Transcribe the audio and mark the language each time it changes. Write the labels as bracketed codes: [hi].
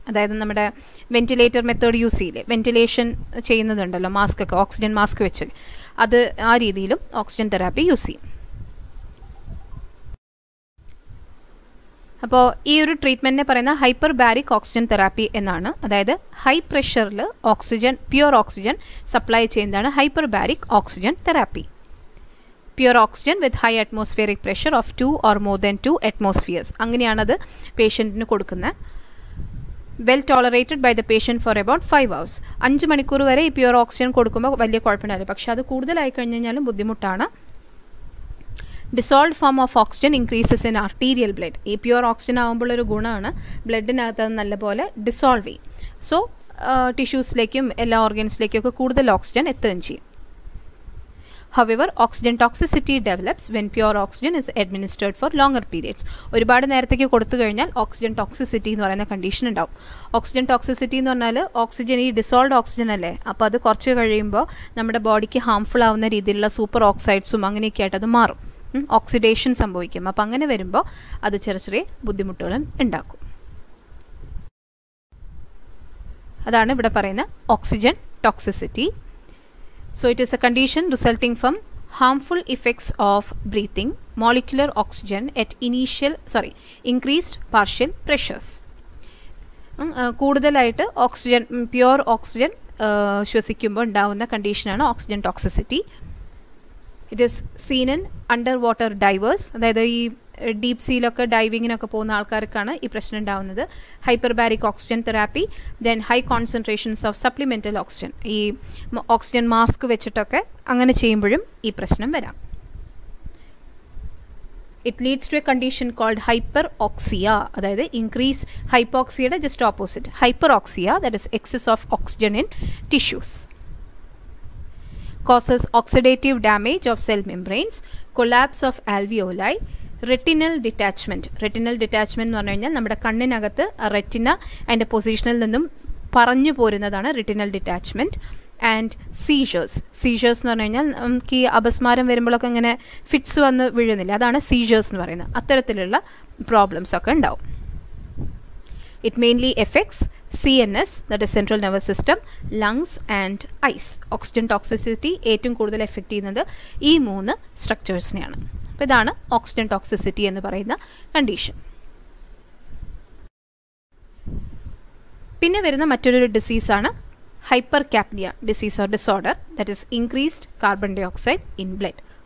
[ml] അതായത് നമ്മുടെ ventilator method use ചെയ്യില്ലേ, വെന്റിലേഷൻ ചെയ്യുന്നതുണ്ടല്ലോ മാസ്കൊക്കെ, ഓക്സിജൻ മാസ്ക് വെച്ച് അത് ആ രീതിയിലും ഓക്സിജൻ തെറാപ്പി യൂസ് ചെയ്യും. അപ്പോൾ ഈ ഒരു ട്രീറ്റ്മെൻറ്റിനെ പറയുന്ന ഹൈപ്പർ ബാരിക് ഓക്സിജൻ തെറാപ്പി എന്നാണ്. അതായത് high പ്രഷറിൽ oxygen, pure oxygen supply ചെയ്യുന്നതാണ് hyper ബാരിക് oxygen therapy. [en] Pure oxygen with high atmospheric pressure of 2 or more than 2 atmospheres. [ml] അങ്ങനെയാണത് പേഷ്യൻറ്റിന് കൊടുക്കുന്നത്. [en] Well tolerated by the patient for about 5 hours. [ml] 5 മണിക്കൂർ വരെ ഈ പ്യുർ ഓക്സിജൻ കൊടുക്കുമ്പോൾ വലിയ കുഴപ്പമില്ല, പക്ഷേ അത് കൂടുതലായി കഴിഞ്ഞ് കഴിഞ്ഞാലും ബുദ്ധിമുട്ടാണ്. [en] Dissolved form of oxygen increases in arterial blood. [ml] ഈ പ്യുർ ഓക്സിജൻ ആകുമ്പോഴൊരു ഗുണമാണ് ബ്ലഡിനകത്ത് അത് നല്ലപോലെ ഡിസോൾവ് ചെയ്യും. സോ ടിഷ്യൂസിലേക്കും എല്ലാ ഓർഗൻസിലേക്കൊക്കെ കൂടുതൽ ഓക്സിജൻ എത്തുകയും ചെയ്യും. [en] However, oxygen toxicity develops when pure oxygen is administered for longer periods. [ml] ഒരുപാട് നേരത്തേക്ക് കൊടുത്തു കഴിഞ്ഞാൽ ഓക്സിജൻ ടോക്സിസിറ്റി എന്ന് പറയുന്ന കണ്ടീഷൻ ഉണ്ടാവും. ഓക്സിജൻ ടോക്സിസിറ്റി എന്ന് പറഞ്ഞാൽ ഓക്സിജൻ ഈ ഡിസോൾവ്ഡ് ഓക്സിജൻ അല്ലേ, അപ്പോൾ അത് കുറച്ച് കഴിയുമ്പോൾ നമ്മുടെ ബോഡിക്ക് ഹാംഫുൾ ആവുന്ന രീതിയിലുള്ള സൂപ്പർ ഓക്സൈഡ്സും അങ്ങനെയൊക്കെ ആയിട്ട് അത് മാറും, ഓക്സിഡേഷൻ സംഭവിക്കും. അപ്പോൾ അങ്ങനെ വരുമ്പോൾ അത് ചെറിയ ചെറിയ ബുദ്ധിമുട്ടുകളും ഉണ്ടാക്കും. അതാണ് ഇവിടെ പറയുന്ന oxygen toxicity. [en] So it is a condition resulting from harmful effects of breathing molecular oxygen at increased partial pressures. [ml] കൂടുതലായിട്ട് ഓക്സിജൻ, പ്യുർ ഓക്സിജൻ ശ്വസിക്കുമ്പോൾ ഉണ്ടാവുന്ന കണ്ടീഷനാണ് oxygen toxicity. [en] It is seen in underwater divers. [ml] അതായത് ഈ deep സീലൊക്കെ ഡൈവിങ്ങിനൊക്കെ പോകുന്ന ആൾക്കാർക്കാണ് ഈ പ്രശ്നം ഉണ്ടാകുന്നത്. Hyper ബാരിക് oxygen therapy, [en] then high concentrations of supplemental oxygen, [ml] ഈ ഓക്സിജൻ മാസ്ക് വെച്ചിട്ടൊക്കെ അങ്ങനെ ചെയ്യുമ്പോഴും ഈ പ്രശ്നം വരാം. [en] It leads to a condition called hyperoxia. [ml] അതായത് increase ഹൈപ്പോക്സിയയുടെ just opposite, [en] Hyperoxia, that is excess of oxygen in tissues. Causes oxidative damage of cell membranes, collapse of alveoli, retinal detachment. [ml] Retinal detachment എന്ന് പറഞ്ഞു കഴിഞ്ഞാൽ നമ്മുടെ കണ്ണിനകത്ത് retina അതിൻ്റെ പൊസിഷനിൽ നിന്നും പറഞ്ഞു പോരുന്നതാണ് retinal detachment. And seizures, seizures എന്ന് പറഞ്ഞു കഴിഞ്ഞാൽ നമുക്ക് ഈ അപസ്മാരം വരുമ്പോഴൊക്കെ ഇങ്ങനെ ഫിറ്റ്സ് വന്ന് വീഴുന്നില്ല, അതാണ് സീഷേഴ്സ് എന്ന് പറയുന്നത്. അത്തരത്തിലുള്ള പ്രോബ്ലംസൊക്കെ ഉണ്ടാവും. [en] It mainly affects CNS, that is central nervous system, lungs and eyes. [ml] Oxygen toxicity ഏറ്റവും കൂടുതൽ എഫക്ട് ചെയ്യുന്നത് ഈ മൂന്ന് സ്ട്രക്ചേഴ്സിനെയാണ്. അപ്പോൾ ഇതാണ് ഓക്സിജൻ ടോക്സിസിറ്റി എന്ന് പറയുന്ന കണ്ടീഷൻ. പിന്നെ വരുന്ന മറ്റൊരു ഡിസീസാണ് [en] Hypercapnia disease or disorder, that is increased carbon dioxide in blood.